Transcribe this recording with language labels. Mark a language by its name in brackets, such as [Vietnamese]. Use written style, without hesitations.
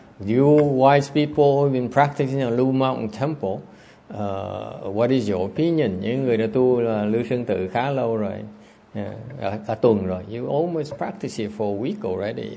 [English] You wise people who have been practicing at Lu Mountain Temple, what is your opinion? [Vietnamese] Những người đã tu là Lưu Sơn Tự khá lâu rồi, cả tuần rồi. [English] You almost practice it for a week already.